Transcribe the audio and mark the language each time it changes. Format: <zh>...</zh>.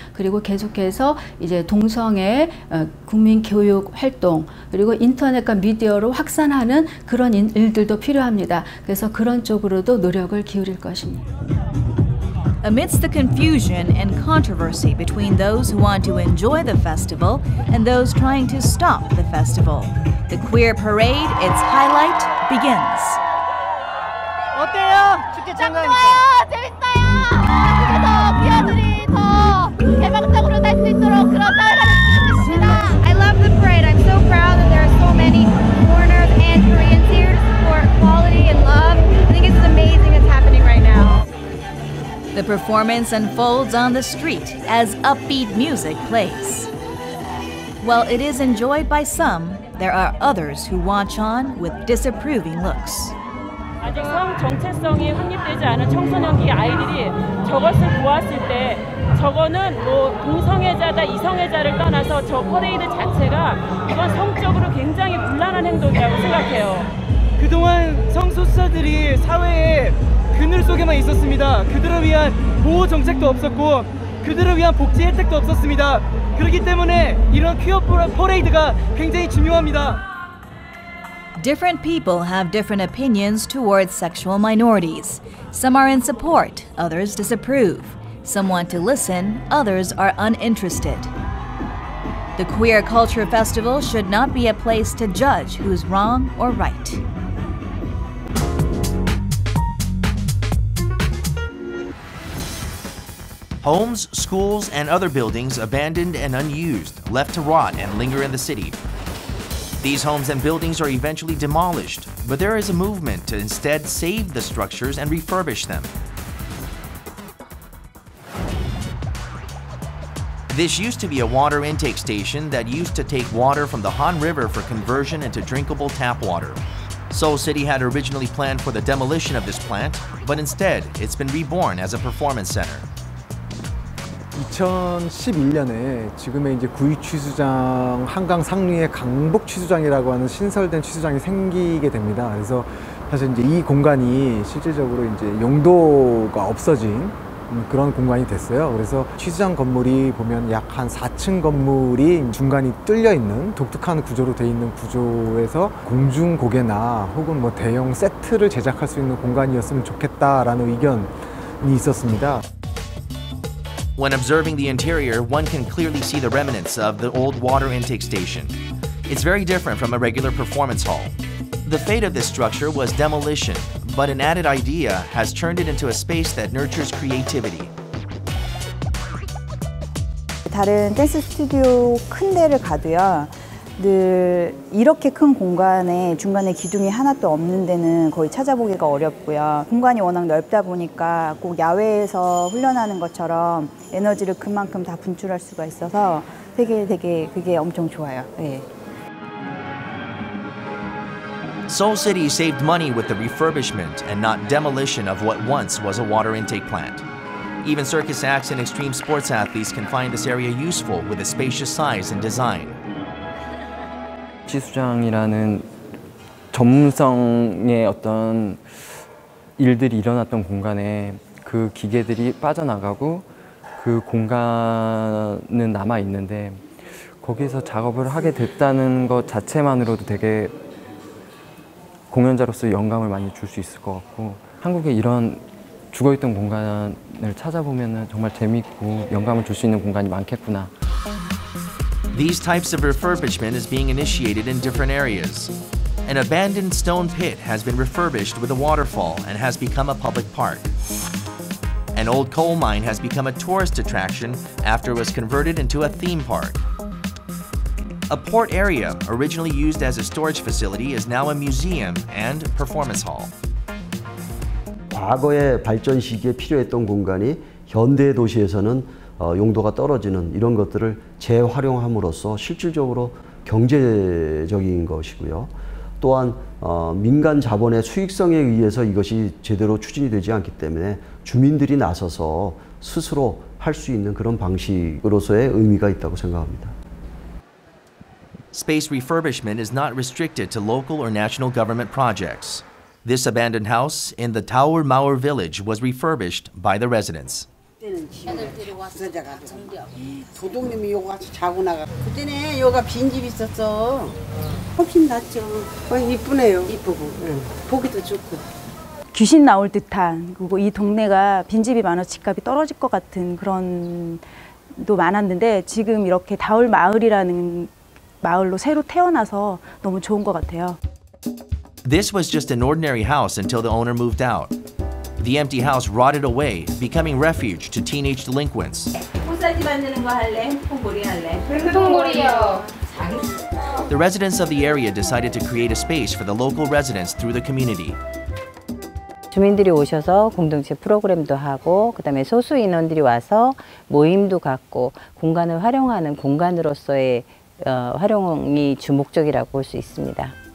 <ko>그리고 계속해서 이제 동성애 국민 교육 활동 그리고 인터넷과 미디어로 확산하는 그런 일들도 필요합니다. 그래서 그런 쪽으로도 노력을 기울일 것입니다.</ko> <en>Amidst the confusion and controversy between those who want to enjoy the festival and those trying to stop the festival, the queer parade, its highlight, begins.</en> <ko>어때요? 축제 참가하는 거? 좋아요! 재밌어요! 축제 더 퀴어들이 더 개방적으로 날 수 있도록 그런 사회가 됐으면 좋겠습니다.</ko> <en>I love the parade. I'm so proud that there are so many foreigners and Koreans here to support equality and love. I think it's amazing what's happening right now. The performance unfolds on the street as upbeat music plays. While it is enjoyed by some, there are others who watch on with disapproving looks.</en> <ko>아직 성 정체성이 확립되지 않은 청소년기 아이들이 저것을 보았을 때 저거는 뭐 동성애자다 이성애자를 떠나서 저 퍼레이드 자체가 이건 성적으로 굉장히 곤란한 행동이라고 생각해요. 그동안 성소수자들이 사회에 그늘 속에만 있었습니다. 그들을 위한 보호 정책도 없었고 그들을 위한 복지 혜택도 없었습니다. 그렇기 때문에 이런 퀴어 퍼레이드가 굉장히 중요합니다.</ko> <en>Different people have different opinions towards sexual minorities. Some are in support, others disapprove. Some want to listen, others are uninterested. The Queer Culture Festival should not be a place to judge who's wrong or right. Homes, schools, and other buildings abandoned and unused, left to rot and linger in the city. These homes and buildings are eventually demolished, but there is a movement to instead save the structures and refurbish them. This used to be a water intake station that used to take water from the Han River for conversion into drinkable tap water. Seoul City had originally planned for the demolition of this plant, but instead, it's been reborn as a performance center.</en> <ko>2011년에 지금의 이제 구이 취수장 한강 상류의 강북 취수장이라고 하는 신설된 취수장이 생기게 됩니다. 그래서 사실 이제 이 공간이 실질적으로 이제 용도가 없어진 그런 공간이 됐어요. 그래서 취수장 건물이 보면 약 한 4층 건물이 중간이 뚫려 있는 독특한 구조로 되어 있는 구조에서 공중 고개나 혹은 뭐 대형 세트를 제작할 수 있는 공간이었으면 좋겠다라는 의견이 있었습니다.</ko> <en>When observing the interior, one can clearly see the remnants of the old water intake station. It's very different from a regular performance hall. The fate of this structure was demolition, but an added idea has turned it into a space that nurtures creativity.</en> <ko>다른 댄스 스튜디오 큰 데를 가도요, 늘 이렇게 큰 공간에 중간에 기둥이 하나도 없는 데는 거의 찾아보기가 어렵고요. 공간이 워낙 넓다 보니까 꼭 야외에서 훈련하는 것처럼 에너지를 그만큼 다 분출할 수가 있어서 되게 그게 엄청 좋아요. 네.</ko> <en>Seoul City saved money with the refurbishment and not demolition of what once was a water intake plant. Even circus acts and extreme sports athletes can find this area useful with a spacious size and design.</en> <ko>취수장이라는 전문성의 어떤 일들이 일어났던 공간에 그 기계들이 빠져나가고 그 공간은 남아 있는데 거기서 작업을 하게 됐다는 것 자체만으로도 되게 공연자로서 영감을 많이 줄 수 있을 것 같고 한국에 이런 죽어있던 공간을 찾아보면 정말 재밌고 영감을 줄 수 있는 공간이 많겠구나.</ko> <en>These types of refurbishment is being initiated in different areas. An abandoned stone pit has been refurbished with a waterfall and has become a public park. An old coal mine has become a tourist attraction after it was converted into a theme park. A port area, originally used as a storage facility, is now a museum and performance hall.</en> <ko>과거의 발전 시기에 필요했던 공간이 현대 도시에서는 용도가 떨어지는 이런 것들을 재활용함으로써 실질적으로 경제적인 것이고요. 또한 민간 자본의 수익성에 의해서 이것이 제대로 추진이 되지 않기 때문에 주민들이 나서서 스스로 할 수 있는 그런 방식으로서의 의미가 있다고 생각합니다.</ko> <en>Space refurbishment is not restricted to local or national government projects. This abandoned house in the Tower Mauer village was refurbished by the residents.</en> <ko>도둑님이 여기 와서 자고 나가. 그때는 여기가 빈 집 있었어. 훨씬 낫죠. 이쁘네요. 이쁘고. 응. 보기도 좋고. 귀신 나올 듯한, 그리고 이 동네가 빈집이 많아 집값이 떨어질 것 같은 그런도 많았는데 지금 이렇게 다울 마을이라는 마을로 새로 태어나서 너무 좋은 것 같아요.</ko> <en>This was just an ordinary house until the owner moved out. The empty house rotted away, becoming refuge to teenage delinquents.</en> <ko>꽃사지 만드는 거 할래? 꽃보리 할래? 꽃보리요.</ko> <en>The residents of the area decided to create a space for the local residents through the community.</en> <ko>주민들이 오셔서 공동체 프로그램도 하고 그다음에 소수 인원들이 와서 모임도 갖고 공간을 활용하는 공간으로서의 활용이 주목적이라고 볼 수 있습니다.</ko>